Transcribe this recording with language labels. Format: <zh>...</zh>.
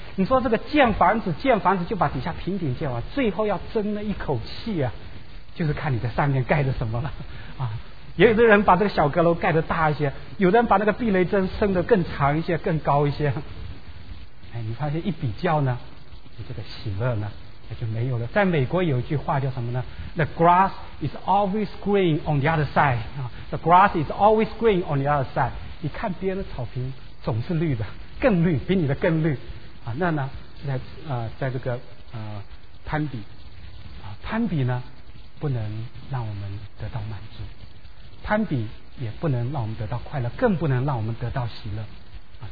<zh>你说这个建房子就把底下平顶建完，最后要争了一口气啊，就是看你在上面盖的什么了啊。也有的人把这个小阁楼盖得大一些，有的人把那个避雷针伸得更长一些更高一些。哎，你发现一比较呢，你这个喜乐呢也就没有了。在美国有一句话叫什么呢？</zh> <en>The grass is always green on the other side. The grass is always green on the other side.</en> <zh>你看别人的草坪总是绿的，更绿，比你的更绿啊。那呢是在这个攀比啊，攀比呢不能让我们得到满足，攀比也不能让我们得到快乐，更不能让我们得到喜乐啊。</zh>